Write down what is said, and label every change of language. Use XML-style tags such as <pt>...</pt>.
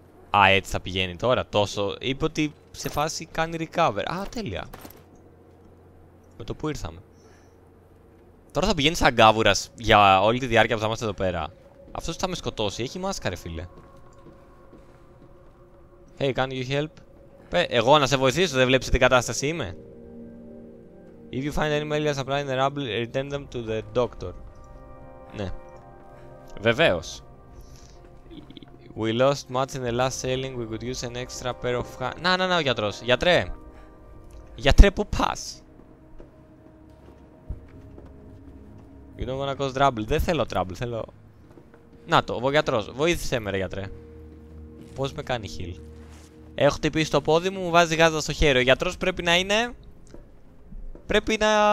<el>Α, έτσι θα πηγαίνει τώρα, τόσο. Είπε ότι σε φάση κάνει recover. Α, τέλεια. Με το που ήρθαμε. Τώρα θα πηγαίνει σαν γκάβουρας για όλη τη διάρκεια που θα είμαστε εδώ πέρα. Αυτός θα με σκοτώσει, έχει μάσκα ρε φίλε. Hey, can you help? Εγώ να σε βοηθήσω, δεν βλέπεις τι κατάσταση είμαι.</el> <en>If you find any medical supply in the rubble, return them to the doctor. Ναι. Βεβαίως. We lost much in the last sailing, we could use an extra pair of hands. Να, ο γιατρός. Γιατρέ!</en> <el>Γιατρέ, πού πας!</el> <en>You don't wanna cause trouble.</en> <el>Δεν θέλω trouble, θέλω... Να το, ο γιατρός. Βοήθησέ με ρε γιατρέ. Πώς με κάνει heal. Έχω χτυπήσει το πόδι μου, μου βάζει γάζα στο χέρι. Ο γιατρός πρέπει να είναι... Πρέπει να...</el>